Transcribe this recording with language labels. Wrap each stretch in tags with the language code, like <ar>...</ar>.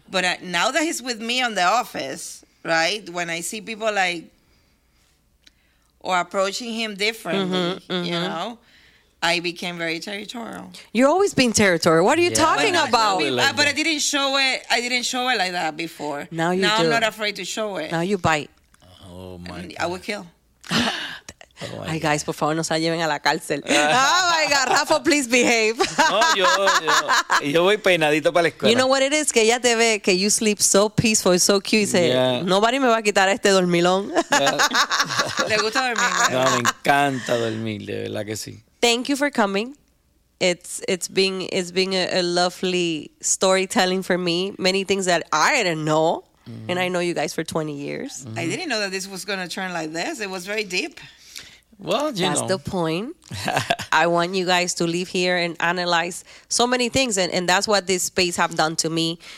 <en>But now that he's with me on the office, right, when I see people like or approaching him differently, mm-hmm, mm-hmm, you know, I became very territorial. You're always being territorial. What are you talking about? But I didn't show it. I didn't show it like that before. Now you now do. I'm not afraid to show it. Now you bite. Oh, my and God. I will kill.</en> <es>Oh, ay,</es> <en>guys,</en> <es>por favor, no se lleven a la cárcel.</es> <en>Oh, my God, Rafa, please behave.</en> <es>No, yo voy peinadito para la escuela.</es> <en>You know what it is?</en> <es>Que ella te ve que</es> <en>you sleep so peaceful, so cute.</en> <es>Y dice,</es> <en>nobody</en> <es>me va a quitar a este dormilón. Le gusta dormir. No, me encanta dormir, de verdad que sí.</es> <en>Thank you for coming. It's been a lovely storytelling for me. Many things that I didn't know. Mm-hmm. And I know you guys for 20 years. Mm-hmm. I didn't know that this was going to turn like this. It was very deep. Well, you that's know the point. I want you guys to leave here and analyze so many things, and that's what this space have done to me.</en>